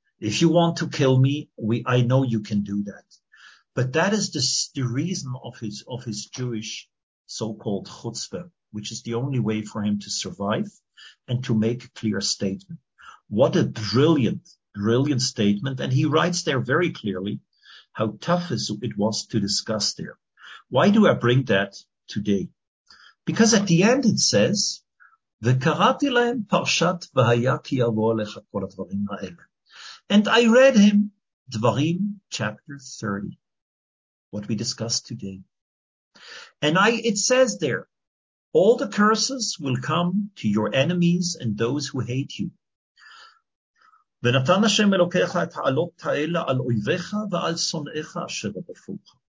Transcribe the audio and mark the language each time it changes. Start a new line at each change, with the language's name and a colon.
English: If you want to kill me, I know you can do that. But that is the reason of his Jewish so-called chutzpah, which is the only way for him to survive and to make a clear statement. What a brilliant, brilliant statement. And he writes there very clearly how tough it was to discuss there. Why do I bring that today? Because at the end it says,
Hebrew: וקראתי להם פרשת והיה כי יבוא לך כל הדברים האלה.
English: And I read him Dvarim chapter 30, what we discussed today. And it says there, all the curses will come to your enemies and those who hate you.
Hebrew: ונתן השם אלוקיך את העלות האלה על אויביך ועל שונאיך אשר בפוך.